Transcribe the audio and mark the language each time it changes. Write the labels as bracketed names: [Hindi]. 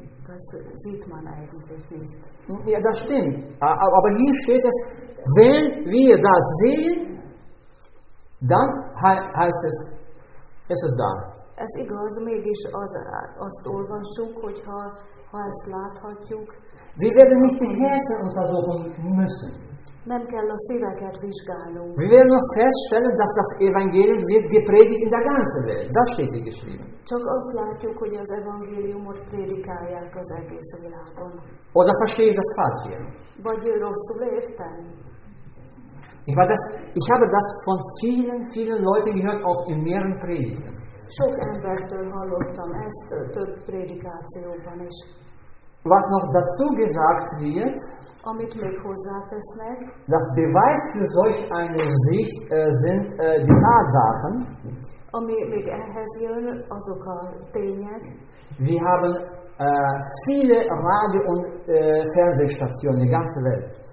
[German] Das sieht man eigentlich nicht. Ja, das stimmt. Aber hier steht es, wenn wir das sehen, dann heißt es, ist es da. [Hungarian] Ez igaz, mégis azt olvassuk, hogyha ezt láthatjuk. [German] Wir werden nicht die Herzen untersuchen müssen. [Hungarian] Nem kell a szíveket vizsgálnunk. [German] Wir werden noch feststellen, dass das Evangelium wird gepredigt in der ganzen Welt. Das steht hier geschrieben. [Hungarian] Csak azt látjuk, hogy az evangéliumot prédikálják az egész világon. [German] Oder verstehe ich das falsch hier? [Hungarian] Vagy rosszul értem? [German] Ich war das, ich habe das von vielen, vielen Leuten gehört, auch in mehreren Predigten. [Hungarian] Sok embertől hallottam ezt, több prédikációban is. [German] Was noch dazu gesagt wird, [Hungarian] amit még hozzátesznek, [German] das Beweis für solch eine Sicht sind die Tatsachen, [Hungarian] ami még ehhez jön, azok a tények. [German] Wir haben viele Radio- und Fernsehstationen, die ganze Welt.